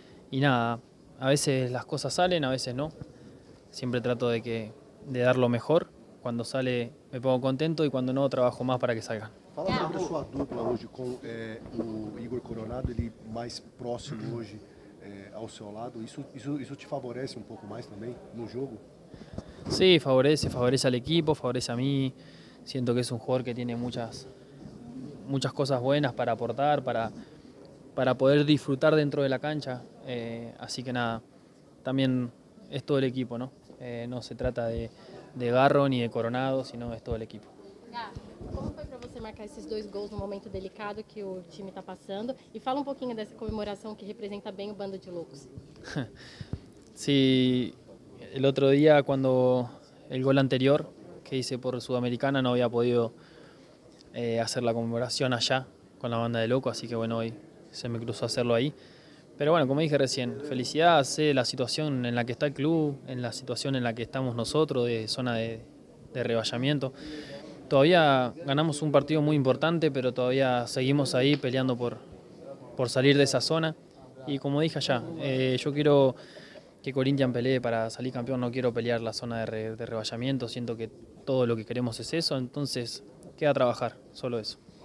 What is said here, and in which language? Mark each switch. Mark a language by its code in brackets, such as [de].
[es] Y nada, a veces las cosas salen, a veces no. Siempre trato de dar lo mejor. Cuando sale me pongo contento y cuando no trabajo más para que salgan. [pt] Fala sobre a sua dupla hoje com o Igor Coronado, ele mais próximo hoje ao seu lado. Isso te favorece um pouco mais também no jogo? Sim, favorece ao equipo, favorece a mim. Sinto que é um jogador que tem muitas coisas boas para aportar, para poder disfrutar [es] dentro de la cancha. [pt] Assim que nada, também é todo o equipo, não? Não se trata de Garro ni de Coronado, sino é todo o equipo. Como foi para você marcar esses dois gols no momento delicado que o time está passando? E fala um pouquinho dessa comemoração que representa bem o Bando de Loucos. Sim, sí, o outro dia, quando o gol anterior que hice por Sudamericana, não havia podido fazer a comemoração allá com a Banda de Loucos, assim que, bueno, hoje se me cruzou fazerlo aí. Mas, bueno, [es] como dije recién, [pt] felicidade, sé a situação em que está o clube, em a situação em que estamos nós, de zona de rebaixamento. [es] Todavía ganamos un partido muy importante, pero todavía seguimos ahí peleando por salir de esa zona. Y como dije allá, yo quiero que Corinthians pelee para salir campeón, no quiero pelear la zona de [pt] rebaixamiento, [es] siento que todo lo que queremos es eso, entonces queda trabajar, solo eso.